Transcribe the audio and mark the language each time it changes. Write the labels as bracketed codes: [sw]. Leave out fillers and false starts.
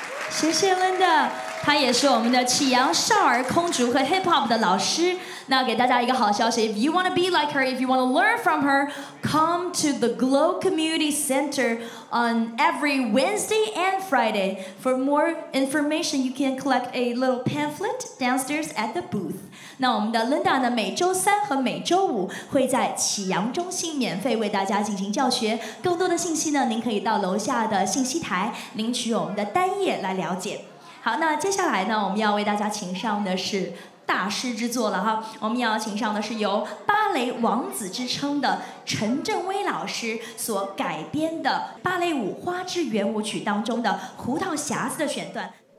[zh] 谢谢 Linda， 她也是我们的启阳少儿空竹和 Hip Hop 的老师。那给大家一个好消息 [en] ，If you want to be like her, if you want to learn from her, come to the Glow Community Center on every Wednesday and Friday. For more information, you can collect a little pamphlet downstairs at the booth. [zh] 那我们的 Linda 呢，每周三和每周五会在启阳中心免费为大家进行教学。更多的信息呢，您可以到楼下的信息台领取我们的单页来了解。好，那接下来呢，我们要为大家请上的是。大师之作了哈，我们要请上的是由芭蕾王子之称的陈振威老师所改编的芭蕾舞《花之圆舞曲》当中的《胡桃匣子》的选段。